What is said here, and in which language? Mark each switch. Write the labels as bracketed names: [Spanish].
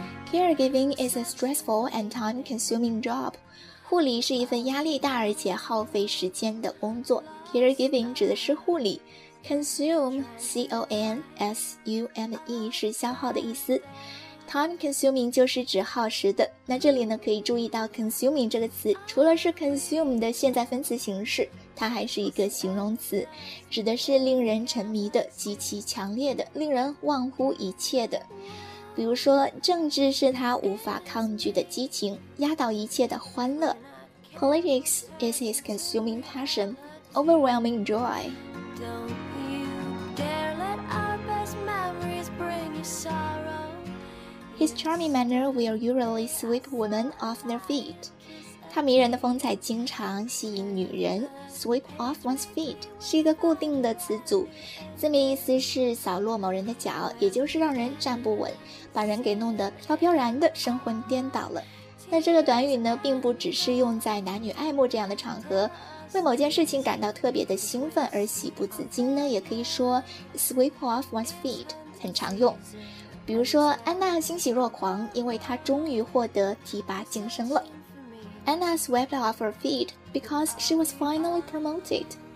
[English] Caregiving is a stressful and time-consuming job. [Chinese] 护理是一份压力大而且耗费时间的工作。 Caregiving 指的是护理。Consume, C-O-N-S-U-M-E, 是消耗的意思。 Time-consuming 就是指耗时的。那这里呢，可以注意到 consuming 这个词，除了是 consume 的现在分词形式，它还是一个形容词，指的是令人沉迷的、极其强烈的、令人忘乎一切的。比如说，政治是他无法抗拒的激情，压倒一切的欢乐。 [English] Politics is his consuming passion, overwhelming joy. Don't you dare let our best memories bring you sorrow. His charming manner will usually sweep women off their feet. [Chinese] 他迷人的风采经常吸引女人。 Sweep off one's feet 是一个固定的词组，字面意思是扫落某人的脚，也就是让人站不稳，把人给弄得飘飘然的神魂颠倒了。那这个短语呢，并不只是用在男女爱慕这样的场合，为某件事情感到特别的兴奋而喜不自禁呢，也可以说 sweep off one's feet 很常用。比如说安娜欣喜若狂，因为她终于获得提拔晋升了。 [English] Anna swept off her feet because she was finally promoted.